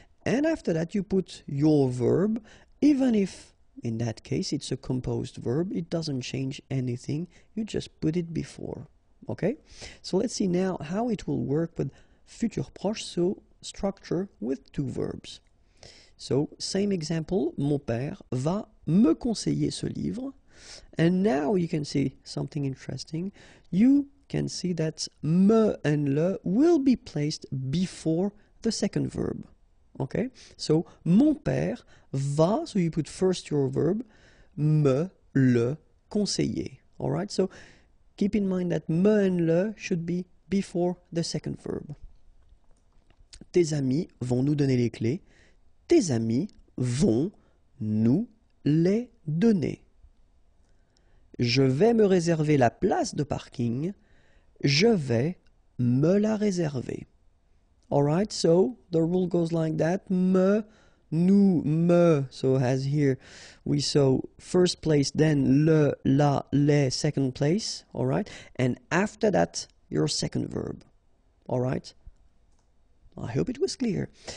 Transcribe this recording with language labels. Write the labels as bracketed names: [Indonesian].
[English] And after that, you put your verb, even if, in that case, it's a composed verb, it doesn't change anything, you just put it before, okay? So let's see now how it will work with futur proche, so structure with two verbs. [French] So, same example, mon père va me conseiller ce livre. [English] And now you can see something interesting. You can see that me and le will be placed before the second verb. Okay, so [French] mon père va, [English] so you put first your verb, [French] me le conseiller. [English] Alright, so keep in mind that me and le should be before the second verb. [French] Tes amis vont nous donner les clés. tes amis vont nous les donner. Je vais me réserver la place de parking. Je vais me la réserver. [English] All right, so the rule goes like that. Me, nous, me. So as here, we saw first place, then le, la, les, second place. All right, and after that, your second verb. All right. I hope it was clear.